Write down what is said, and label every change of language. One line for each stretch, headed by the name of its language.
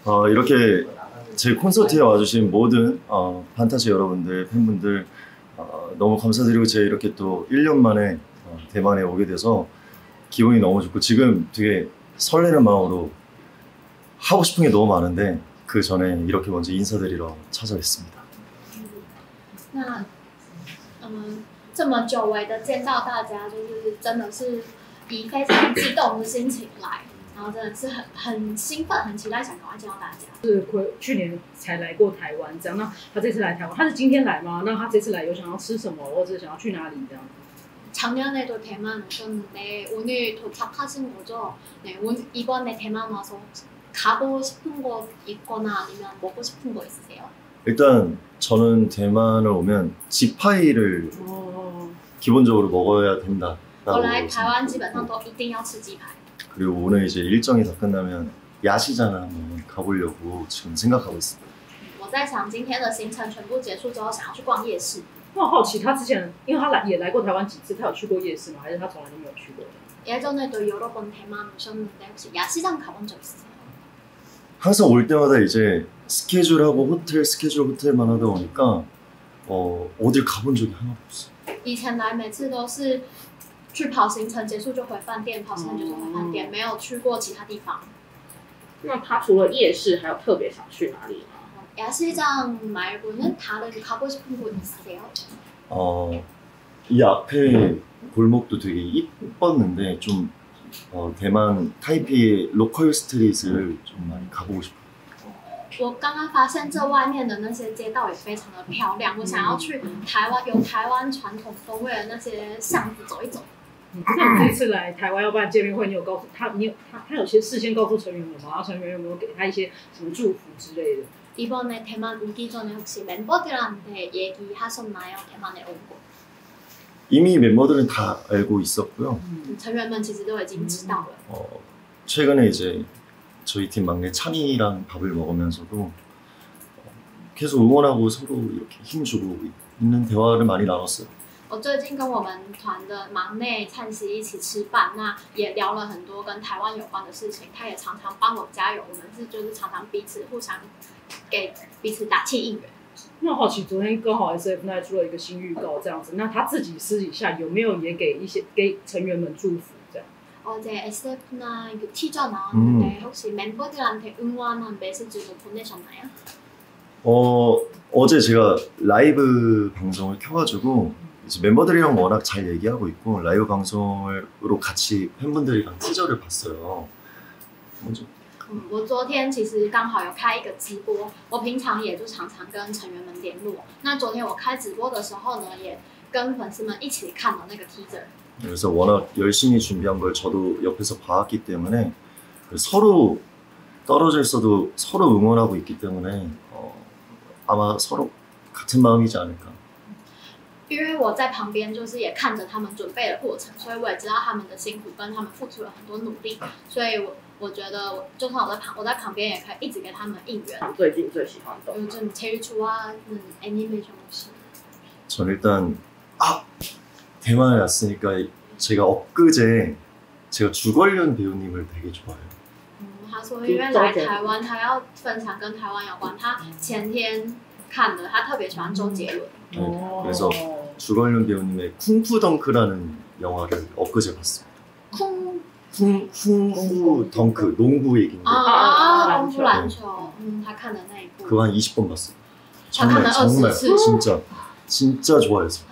Korean: 이렇게 제 콘서트에 와주신 모든 판타지 여러분들, 팬분들 너무 감사드리고, 제가 이렇게 또 1년 만에 대만에 오게 돼서 기분이 너무 좋고, 지금 되게 설레는 마음으로 하고 싶은 게 너무 많은데, 그 전에 이렇게 먼저 인사드리러 찾아왔습니다.
Chinese: 那，这么久违的见到大家，就是真的是以非常激动的心情来，然后真的是很兴奋、很期待，想赶快见到大家。是去年才来过台湾，这样。那他这次来台湾，他是今天来吗？那他这次来有想要吃什么，或者想要去哪里这样？
Korean: 작년에도 대만 오셨는데 오늘 도착하신 거죠? 네, 이번에 대만 와서 가고 싶은 곳 있거나 아니면 먹고 싶은 거 있으세요? 일단 저는 대만을 오면 지파이를 기본적으로 먹어야 된다라고 원래 생각하고,
Chinese: 台湾基本上都一定要吃鸡排。
Korean: 그리고 오늘 이제 일정이 다 끝나면 야시장을 한번 가보려고 지금 생각하고 있습니다.
Chinese: 我在想今天的行程全部结束之后，想要去逛夜市。我好奇，他之前因为他来也来过台湾几次，他有去过夜市吗？还是他从来都没有去过？
Korean: 예전에도 여러 번 대만 오셨는데 혹시 야시장 가본 적 있으세요? 항상 올 때마다 이제 스케줄하고 호텔 스케줄 호텔만 하다 보니까 어딜 가본 적이 하나도
Chinese: 以前来每次都是去跑行程，结束就回饭店，跑行程就回饭店，没有去过其他地方。那他除了夜市，还有特别想去哪里？
Korean: 야시장 말고는 다른 가고 싶은 곳 있으세요? 이 앞에 골목도 되게 이뻤는데 좀 대만 타이피의 로컬 스트릿을 좀 많이 가보고 싶어요.
Chinese: 我刚刚发现这外面的那些街道也非常的漂亮，我想要去台湾，有台湾传统风味的那些巷子走一走。那你这次来台湾要办见面会，你有告诉他，你有他他有些事先告诉成员了吗？成员有没有给他一些什么祝福之类的？
Korean: 이번에 대만 오기 전에 혹시 멤버들한테 얘기하셨나요? 대만에 온 거. 이미 멤버들은 다 알고 있었고요.
Chinese: 成员们 其实都已经知道了.
Korean: 최근에 이제 저희 팀 막내 찬이랑 밥을 먹으면서도 계속 응원하고 서로 이렇게 힘주고 있는 대화를 많이 나눴어요.
Chinese: 我最近跟我们团的忙内灿熙一起吃饭，那也聊了很多跟台湾有关的事情。他也常常帮我加油，我们是就是常常彼此互相给彼此打气应援。那好奇，昨天刚好 SF9 出了一个新预告这样子，那他自己私底下有没有也给一些给成员们祝福这样？
Korean: 네, SF9 그 티저 나왔는데 혹시 멤버들한테 응원한 메시지도 보내셨나요? 어제 제가 라이브 방송을 켜가지고 이제 멤버들이랑 워낙 잘 얘기하고 있고, 라이브 방송으로 같이 팬분들이랑 티저를 봤어요. 먼저.
Chinese: 我昨天其实刚好有开一个直播，我平常也就常常跟成员们联络。那昨天我开直播的时候呢，也跟粉丝们一起看了那个 teaser。
Korean: 그래서 워낙 열심히 준비한 걸 저도 옆에서 봐왔기 때문에, 서로 떨어져 있어도 서로 응원하고 있기 때문에, 아마 서로 같은 마음이지 않을까.
Chinese: 因为我在旁边，就是也看着他们准备的过程，所以我也知道他们的辛苦跟他们付出了很多努力，所以我觉得，就算我在旁边，也可以一直给他们应援。最近最喜欢动有这种체育出啊，animation 是。
Korean: 전 일단 대만에 왔으니까 제가 엊그제 제가 주걸륜 배우님을 되게 좋아해요.
Chinese: 他说因为来台湾，他要分享跟台湾有关。他前天看的，他特别喜欢周杰伦。
Korean: 그래서 주걸륜 배우님의 쿵푸덩크라는 영화를 엊그제 봤습니다. 쿵푸덩크, 농구 얘기인데.
Chinese: 농구 篮球. 他看的那一
Korean: 그거 한 20번 봤어요.
Chinese: 他看了二
Korean: 정말,
Chinese: 十 次.
Korean: 진짜 좋아했어요.